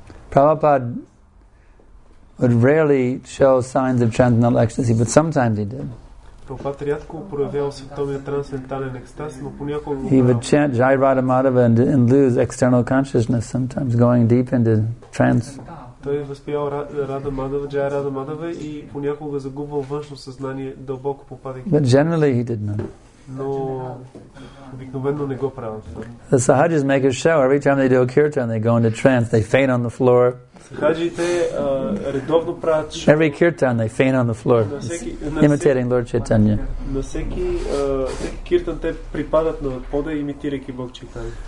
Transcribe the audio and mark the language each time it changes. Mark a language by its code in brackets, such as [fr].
[en] Prabhupada would rarely show signs of transcendental ecstasy, but sometimes he did. He would chant Jai Radha Madhava and lose external consciousness sometimes, going deep into trance. [bg] Той възпевал Радха Мадава, Джая Радха Мадава и понякога загубвал външно съзнание, дълбоко попадайки. But generally he did not. Но обикновено не го правил. [en] The Sahajis make a show every time they do a kirtan, they go into trance, they faint on the floor. [bg] Сахаджите редовно правят шоу. [en] Every kirtan they faint on the floor, imitating Lord Chaitanya. [bg] На всеки киртан те припадат на пода, имитирайки Бог Чайтанья.